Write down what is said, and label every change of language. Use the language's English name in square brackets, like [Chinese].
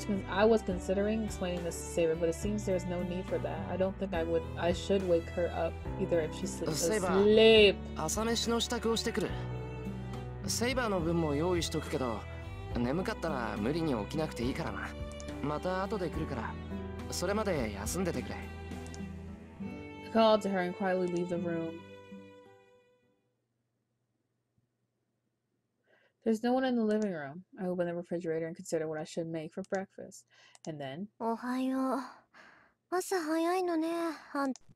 [English] I was considering explaining this to Sable, but it seems there's no need for that. I don't think I should wake her up either if she's asleep. [Japanese] Sable, 朝飯の支度をしてくる。Sable の分も用意しとくけど。眠かったら無理に起きなくていいからな。また後で来るから、それまで休んでてくれ。 [English] I called to her and quietly leave the room. There's no one in the living room. I open the refrigerator and consider what I should make for breakfast. And then... [Japanese] おはよう。朝早いのね、あん。